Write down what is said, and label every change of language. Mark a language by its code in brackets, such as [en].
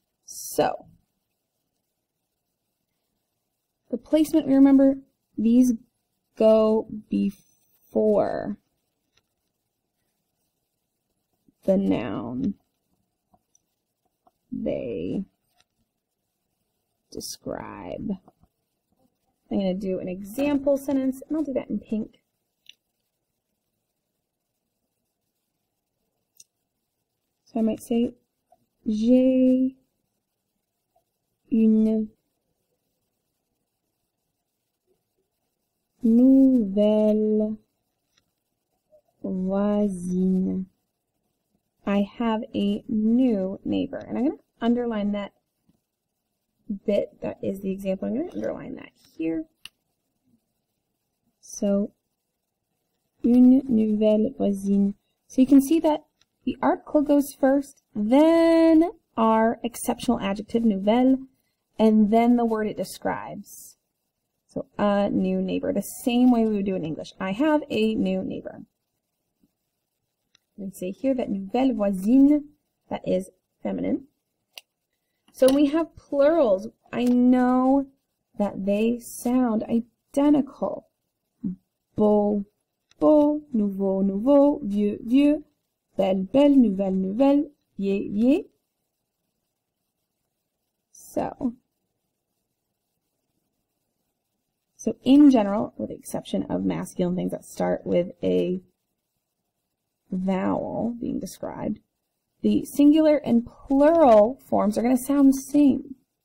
[en] So, the placement, we remember, these go before the noun they describe. I'm going to do an example sentence, and I'll do that in pink. So I might say, j'ai une nouvelle voisine. I have a new neighbor. And I'm going to underline that bit that is the example. I'm going to underline that here. So, une nouvelle voisine. So you can see that the article goes first, then our exceptional adjective, nouvelle, and then the word it describes. So, a new neighbor, the same way we would do in English. I have a new neighbor. We say here that nouvelle voisine, that is feminine. So, we have plurals. I know that they sound identical. [fr] Beau, beau, nouveau, nouveau, vieux, vieux, belle, belle, nouvelle, nouvelle, vieille, vieille. [en] So, in general, with the exception of masculine things that start with a vowel being described, the singular and plural forms are going to sound the same.